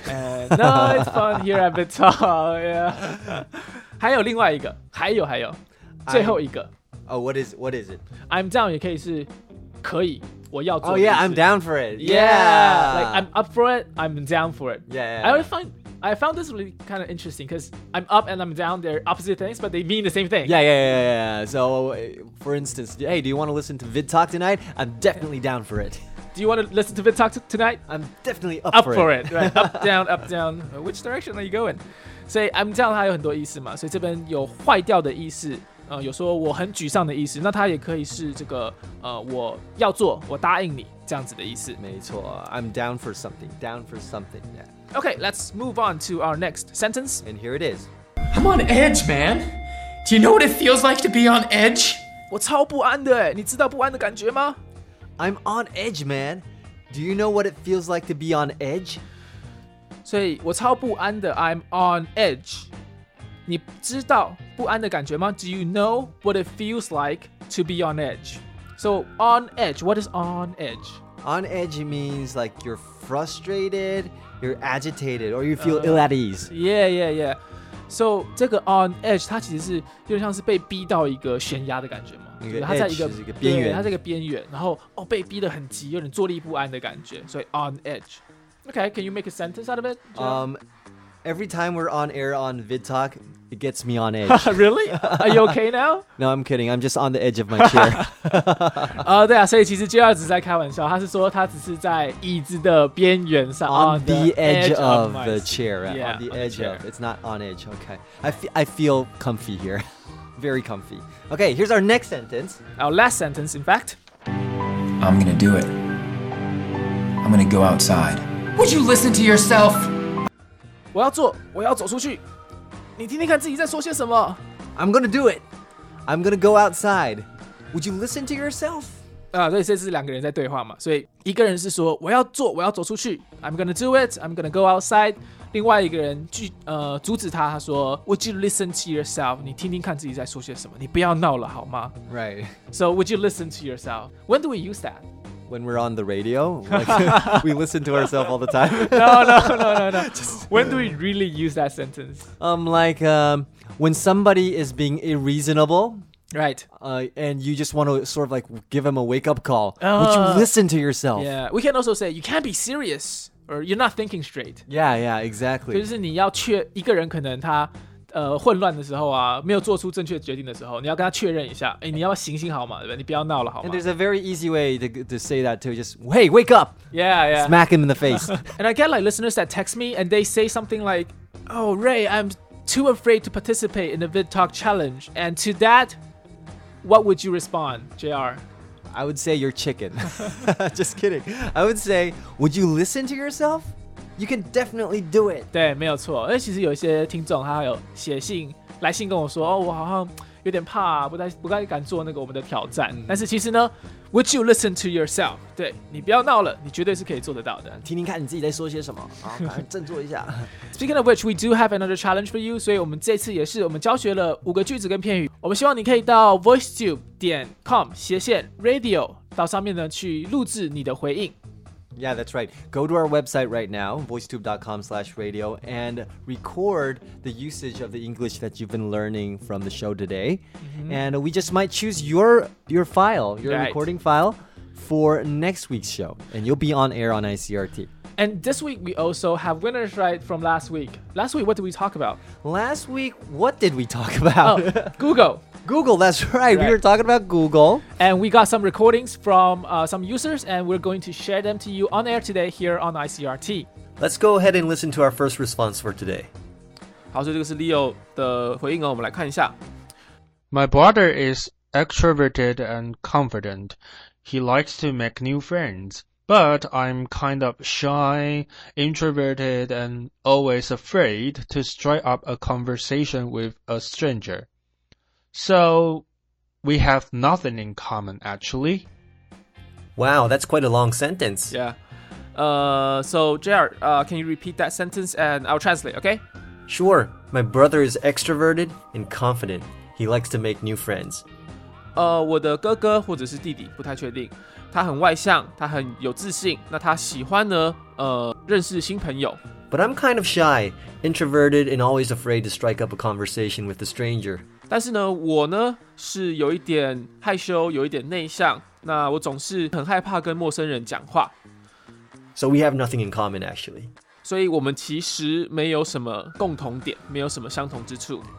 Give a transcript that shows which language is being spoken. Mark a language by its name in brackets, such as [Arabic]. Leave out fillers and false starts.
[English] And, no, it's fun here at the top, yeah. [Chinese] 还有另外一个,还有,最后一个。 [English] Oh, what is it? I'm down [Chinese] 也可以是可以,我要做的事。 [English] Oh, yeah, I'm down for it. Yeah. Like, I'm up for it, I'm down for it. Yeah. I found this really kind of interesting because I'm up and I'm down, they're opposite things, but they mean the same thing. Yeah. So, for instance, hey, do you want to listen to VidTalk tonight? I'm definitely down for it. Do you want to listen to VidTalk tonight? I'm definitely up for it. Right? Up, down. Which direction are you going? [Chinese] 所以 [English] I'm down [Chinese] 它有很多意思嘛。所以这边有坏掉的意思，有说我很沮丧的意思。那它也可以是这个，我要做，我答应你这样子的意思。没错 [English] ，I'm down for something. Down for something. Yeah. Okay, let's move on to our next sentence. And here it is. I'm on edge, man. Do you know what it feels like to be on edge? [Chinese] 我超不安的哎，你知道不安的感觉吗？ [English] I'm on edge, man. Do you know what it feels like to be on edge? [Chinese] 所以我超不安的 [English] I'm on edge. [Chinese] 你知道不安的感觉吗? [English] Do you know what it feels like to be on edge? So on edge, what is on edge? On edge means like you're frustrated, you're agitated, or you feel ill at ease. Yeah. So [Chinese] 这个 on edge 它其实是有点像是被逼到一个悬崖的感觉吗? 它在一个边缘，它在一个边缘，然后被逼得很急，有点坐立不安的感觉，所以 on edge. [English] Okay, can you make a sentence out of it? Every time we're on air on VidTalk, it gets me on edge. Really? Are you okay now? No, I'm kidding. I'm just on the edge of my chair. [Chinese] 对啊，所以其实 JR 只是在开玩笑，他是说他只是在椅子的边缘上。 [English] On the edge of the chair. Yeah, on the edge of. It's not on edge. Okay. I feel comfy here. Very comfy. Okay, here's our next sentence. Our last sentence, in fact. I'm gonna do it. I'm gonna go outside. Would you listen to yourself? [Chinese] 我要做，我要走出去。你听听看自己在说些什么。 [English] I'm gonna do it. I'm gonna go outside. Would you listen to yourself? [Chinese] 所以这是两个人在对话嘛，所以一个人是说我要做，我要走出去 [English] I'm gonna do it, I'm gonna go outside。 [Chinese] 另外一个人阻止他，他说 [English] Would you listen to yourself? [Chinese] 你听听看自己在说些什么，你不要闹了好吗？ [English] Right. So would you listen to yourself? When do we use that? When we're on the radio, like, we listen to ourselves all the time. No. When do we really use that sentence? When somebody is being unreasonable. Right. And you just want to sort of like give them a wake up call. Would you listen to yourself? Yeah. We can also say you can't be serious or you're not thinking straight. Yeah, exactly. [Chinese] 就是你要确一个人可能他混乱的时候啊，没有做出正确决定的时候，你要跟他确认一下，哎，你要行行好嘛，对吧？你不要闹了好吗？ [English] And there's a very easy way to say that too. Just, hey, wake up! Yeah. Smack him in the face. And I get like listeners that text me and they say something like, oh, Ray, I'm too afraid to participate in the VidTalk challenge. And to that, what would you respond, JR? I would say you're chicken. Just kidding. I would say, would you listen to yourself? You can definitely do it. [Chinese] 对，没有错。因为其实有一些听众，他有写信来信跟我说，哦，我好像有点怕，不太敢做那个我们的挑战。 [English] Mm-hmm. [Chinese] 但是其实呢 [English] ，Would you listen to yourself? [Chinese] 对，你不要闹了，你绝对是可以做得到的。听听看你自己在说些什么，然后赶快振作一下。 [English] Speaking of which, we do have another challenge for you. [Chinese] 所以我们这次也是我们教学了五个句子跟片语。我们希望你可以到 voicetube.com/radio 到上面呢去录制你的回应。 [English] Yeah, that's right. Go to our website right now, voicetube.com/radio, and record the usage of the English that you've been learning from the show today. Mm-hmm. And we just might choose your file, your right. recording file, for next week's show. And you'll be on air on ICRT. And this week, we also have winners, right, from last week. Last week, what did we talk about? Last week, what did we talk about? Oh, Google. Google, that's right. We were talking about Google. And we got some recordings from some users, and we're going to share them to you on air today here on ICRT. Let's go ahead and listen to our first response for today. [Chinese] 好，所以这个是 Leo 的回应哦，我们来看一下。 [English] My brother is extroverted and confident. He likes to make new friends, but I'm kind of shy, introverted, and always afraid to strike up a conversation with a stranger. So, we have nothing in common, actually. Wow, that's quite a long sentence. Yeah. So, JR, can you repeat that sentence and I'll translate, okay? Sure. My brother is extroverted and confident. He likes to make new friends. [Chinese] 我的哥哥或者是弟弟不太确定。他很外向，他很有自信。那他喜欢呢，认识新朋友。 [English] But I'm kind of shy, introverted, and always afraid to strike up a conversation with a stranger. [Chinese] 但是呢，我呢是有一点害羞，有一点内向。那我总是很害怕跟陌生人讲话。 [English] So we have nothing in common, actually. [Chinese] 所以我们其实没有什么共同点，没有什么相同之处。